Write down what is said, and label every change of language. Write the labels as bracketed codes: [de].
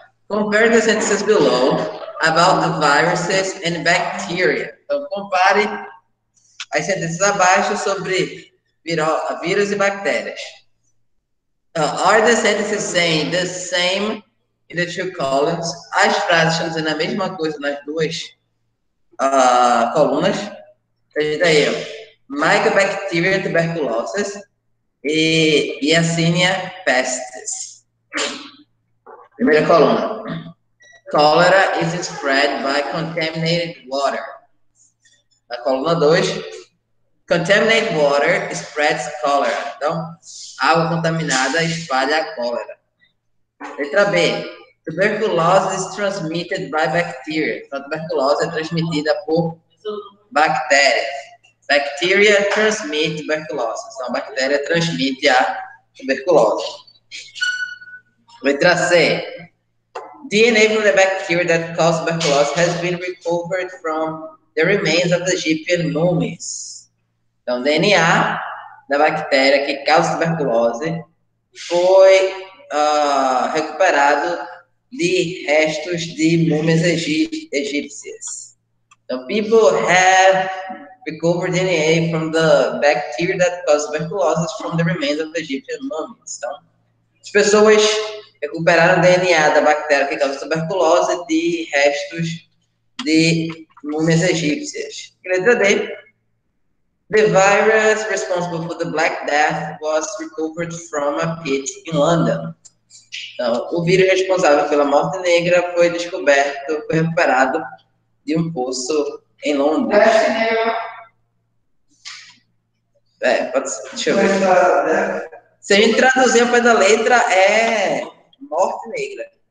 [en] Compare the sentences below about the viruses and bacteria. [pt] Então, compare as sentenças abaixo sobre vírus e bactérias. [en] Are the sentences saying the same in the two columns? [pt] As frases estão dizendo a mesma coisa nas duas colunas. Veja aí, Mycobacteria tuberculosis e Yersinia pestis. Primeira coluna. [en] Cholera is spread by contaminated water. [pt] Na coluna 2. [en] Contaminated water spreads cholera. [pt] Então, água contaminada espalha a cólera. Letra B. [en] Tuberculose is transmitted by bacteria. [pt] Então, a tuberculose é transmitida por bactéria. [en] Bacteria transmit tuberculose. [pt] Então, a bactéria transmite a tuberculose. Letra C. [en] DNA from the bacteria that caused tuberculosis has been recovered from the remains of the Egyptian mummies. [pt] Então, DNA da bactéria que causa tuberculose foi recuperado de restos de múmias egípcias. [en] Então, people have recovered DNA from the bacteria that caused tuberculosis from the remains of the Egyptian mummies. [pt] Então, as pessoas recuperaram DNA da bactéria que causa tuberculose de restos de múmias egípcias. Letra D. [en] The virus responsible for the Black Death was recovered from a pit in London. [pt] Então, o vírus responsável pela morte negra foi descoberto, foi recuperado de um poço em Londres. Deixa eu ver. Se a gente traduzir ao pé da letra, é morte negra.